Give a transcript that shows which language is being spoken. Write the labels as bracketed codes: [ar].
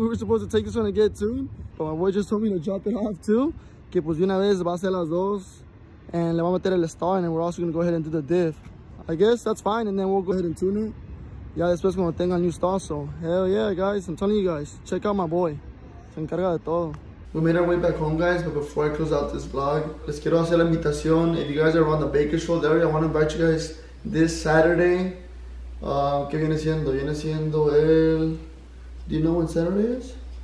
[en] We were supposed to take this one and get tuned, but my boy just told me to drop it off too. [es] Que pues de una vez va a ser las dos. [en] And [es] le va a meter el [en] star, and then we're also gonna go ahead and do the diff. I guess that's fine, and then we'll go ahead and tune it. Yeah, [es] después cuando tenga el [en] new star, so hell yeah, guys. I'm telling you guys, check out my boy. [es] Se encarga de todo. [en] We made our way back home, guys, but before I close out this vlog, [es] les quiero hacer la invitación. [en] If you guys are on the Bakersfield area, I want to invite you guys this Saturday. [es] ¿Qué viene siendo? Viene siendo el... [en] Do you know when Saturday is?